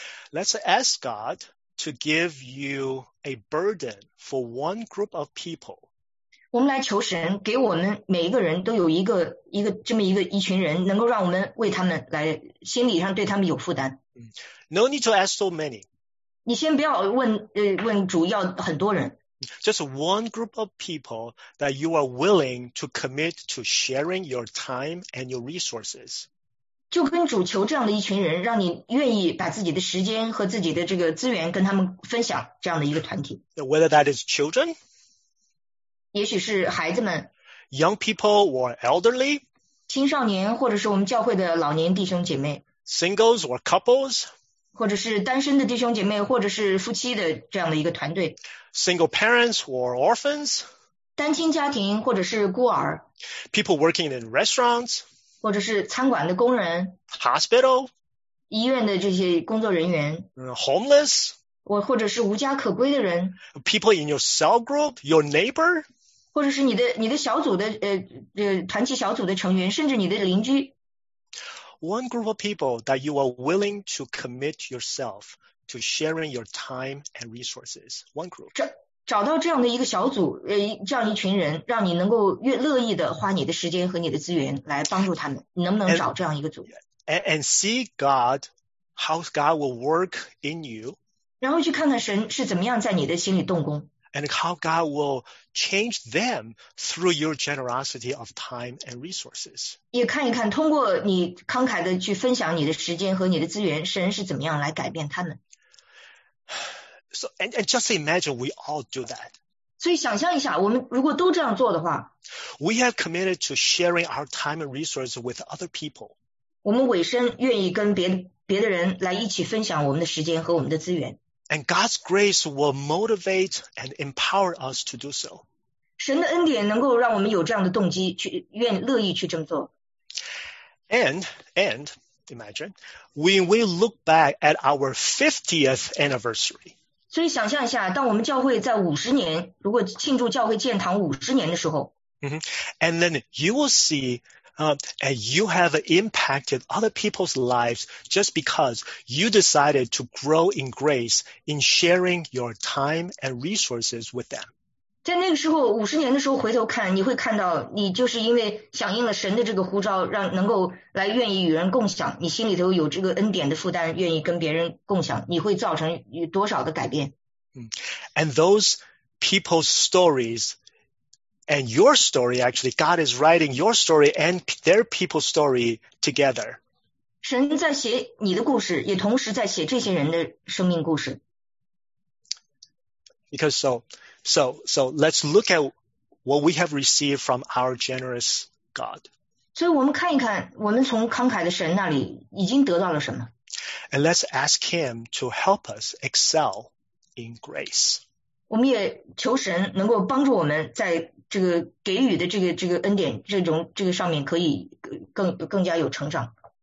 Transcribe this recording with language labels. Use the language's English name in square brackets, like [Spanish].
[English] Let's ask God to give you a burden for one group of people. [Chinese] 我们来求神给我们每一个人都有一个这么一群人能够让我们为他们来心理上对他们有负担。 [English] No need to ask so many. [Chinese] 你先不要问主要很多人。 [English] Just one group of people that you are willing to commit to sharing your time and your resources. [Chinese] 就跟主求这样的一群人，让你愿意把自己的时间和自己的这个资源跟他们分享，这样的一个团体。 [English] Whether that is children, [Chinese] 也许是孩子们 [English] young people or elderly [Chinese] 青少年或者是我们教会的老年弟兄姐妹 [English] singles or couples [Chinese] 或者是单身的弟兄姐妹或者是夫妻的这样的一个团队 [English] single parents or orphans [Chinese] 单亲家庭或者是孤儿 [English] people working in restaurants [Chinese] 或者是餐馆的工人 [English] hospital [Chinese] 医院的这些工作人员 [English] homeless [Chinese] 或者是无家可归的人 [English] people in your cell group, your neighbor [Chinese] 或者是你的小组的团契小组的成员甚至你的邻居 [English] one group of people that you are willing to commit yourself to sharing your time and resources one group [Chinese] 找到这样的一个小组这样一群人让你能够越乐意的花你的时间和你的资源来帮助他们你能不能找这样一个组 [English] and see God how God will work in you [Chinese] 然后去看看神是怎么样在你的心里动工。 [English] And how God will change them through your generosity of time and resources. [Chinese] 也看一看通过你慷慨的去分享你的时间和你的资源神是怎么样来改变他们。 [English] So, and just imagine we all do that. [Chinese] 所以想象一下我们如果都这样做的话。 [English] We have committed to sharing our time and resources with other people. [Chinese] 我们委身愿意跟别的人来一起分享我们的时间和我们的资源。 [English] And God's grace will motivate and empower us to do so. [Chinese] 神的恩典能够让我们有这样的动机去愿乐意去这么做。 [English] And imagine, when we look back at our 50th anniversary. [Chinese] 所以想象一下当我们教会在50年如果庆祝教会建堂50年的时候。 Mm-hmm. [English] And then you will see,and you have impacted other people's lives just because you decided to grow in grace in sharing your time and resources with them. [Chinese] 在那个时候五十年的时候回头看你会看到你就是因为响应了神的这个呼召让能够来愿意与人共享你心里头有这个恩典的负担愿意跟别人共享你会造成多少的改变。 [English] And those people's stories,And your story, actually, God is writing your story and their people's story together. [Chinese] 神在写你的故事，也同时在写这些人的生命故事。 [English] Because so, let's look at what we have received from our generous God. [Chinese] 所以我们看一看，我们从慷慨的神那里已经得到了什么。 [English] And let's ask him to help us excel in grace. [Chinese] 我们也求神能够帮助我们在这个给予的这个恩典这个上面可以更加有成长。